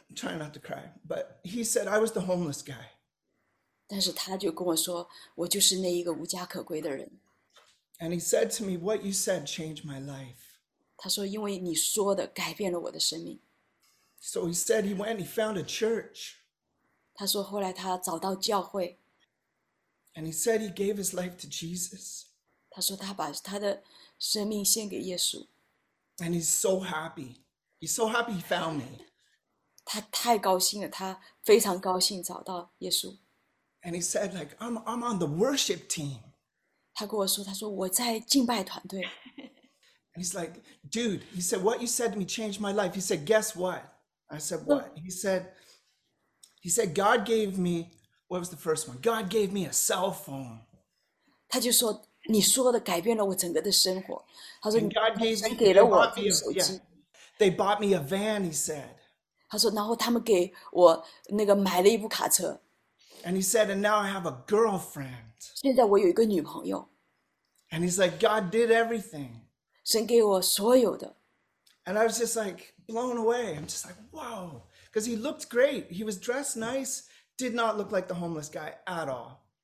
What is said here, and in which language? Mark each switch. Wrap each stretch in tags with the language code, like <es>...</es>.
<en>trying not to cry, but he said I was the homeless guy.</en> <zh>但是他就跟我说，我就是那一个无家可归的人。</zh> <en>And he said to me, "What you said changed my life."</en> <zh>他说因为你说的改变了我的生命。</zh> <en>So he said he went, he found a church.</en> <zh>他说后来他找到教会。</zh> <en>And he said he gave his life to Jesus.</en> <zh>他说他把他的</zh> <en>And he's so happy. He's so happy he found me.</en> <zh>他太高兴了，他非常高兴找到耶稣。</zh> <en>And he said, "Like I'm on the worship team."</en> <zh>他跟我说，他说我在敬拜团队。</zh> <en>And he's like, dude, he said, what you said to me changed my life. He said, guess what? I said, what? He said, God gave me, what was the first one? God gave me a cell phone.</en> <zh>他就说，你说的改变了我整个的生活。他说，</zh> <en>And God gave me, they bought me a van, he said.</en> <zh>他说，然后他们给我那个买了一部卡车。</zh> <en>And he said, and now I have a girlfriend.</en> <zh>现在我有一个女朋友。</zh> <en>And he's like, God did everything.</en> <zh>神给我所有的,</zh> <en>and I was just like blown away. I'm just like, whoa, because he looked great. He was dressed nice, did not look like the homeless guy at all.</en>